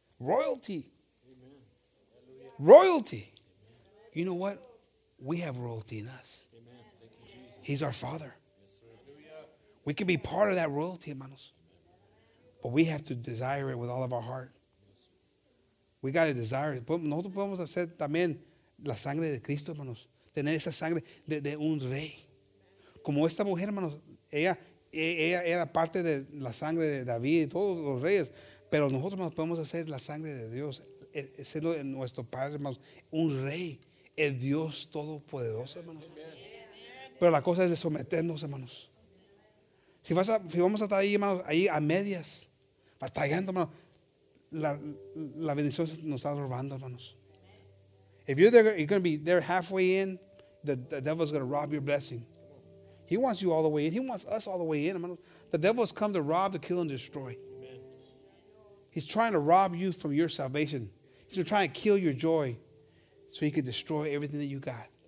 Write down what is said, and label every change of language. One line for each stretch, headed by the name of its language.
English: Royalty. Royalty. You know what? We have royalty in us. He's our Father. We can be part of that royalty, hermanos. But we have to desire it with all of our heart. We got to desire it.
Spanish: Nosotros podemos hacer también la sangre de Cristo, hermanos. Tener esa sangre de un rey. Como esta mujer, hermanos, ella era parte de la sangre de David y todos los reyes. Pero nosotros, hermanos, podemos hacer la sangre de Dios. Ser nuestro Padre, hermanos, un rey, el Dios Todopoderoso, hermanos. Pero la cosa es de someternos, hermanos. Si vamos a estar ahí, hermanos, ahí a medias, batallando, hermanos, la bendición nos está robando, hermanos.
English: If you're there, you're going to be there halfway in, the devil's going to rob your blessing. He wants you all the way in. He wants us all the way in, hermanos. The devil has come to rob, to kill, and destroy. He's trying to rob you from your salvation. He's going to try and kill your joy so he can destroy everything that you got.